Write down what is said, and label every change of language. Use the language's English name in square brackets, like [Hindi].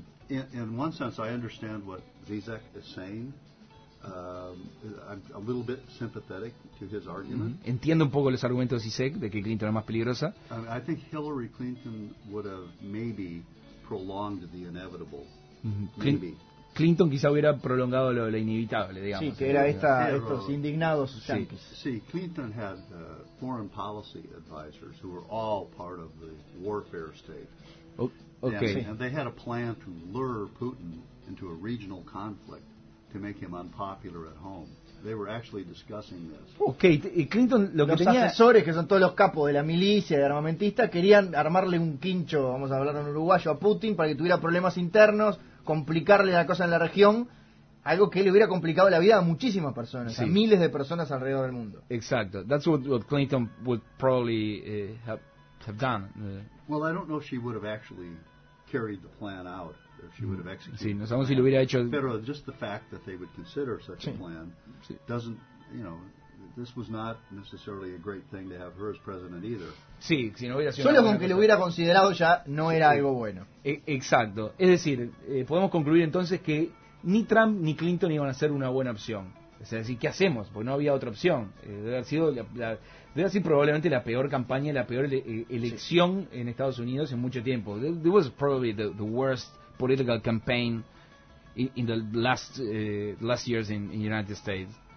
[English] In one sense, I understand what Zizek is saying. I'm a little bit sympathetic to his argument. Mm-hmm. [Spanish] Entiendo un poco los argumentos de Zizek de que Clinton era más peligrosa. [English] I think Hillary Clinton would have maybe prolonged the inevitable. Mm-hmm. Maybe. [Spanish] Clinton quizá hubiera prolongado lo inevitable, digamos. Sí, que era estos indignados yanquis. [English] Sí, Clinton had foreign policy advisors who were all part of the warfare state. Okay. And they had a plan to lure Putin into a regional conflict to make him unpopular at home. They were actually discussing this. [Spanish] Okay, y Clinton lo que los tenía... Los asesores, que son todos los capos de la milicia, de armamentista, querían armarle un quincho, vamos a hablar en uruguayo, a Putin para que tuviera problemas internos, complicarle la cosa en la región, algo que le hubiera complicado la vida a muchísimas personas, sí, a miles de personas alrededor del mundo. Exacto. [English] That's what Clinton would probably have done. Well, I don't know if she would have actually carried the plan out, or if she would have executed. [Spanish] Sí, no sabemos si lo hubiera hecho. Pero [English] just the fact that they would consider such a plan doesn't, you know, this was not necessarily a great thing to have her as president either. [Spanish] Sí, si no hubiera sido. Solo con que lo hubiera considerado ya no era algo bueno. Exacto. Es decir, podemos concluir entonces que ni Trump ni Clinton iban a ser una buena opción. Es decir, ¿qué hacemos? Porque no había otra opción. Debe haber sido probablemente la peor campaña, la peor elección en Estados Unidos en mucho tiempo. [English] It was probably the worst political campaign in the last years in the United States.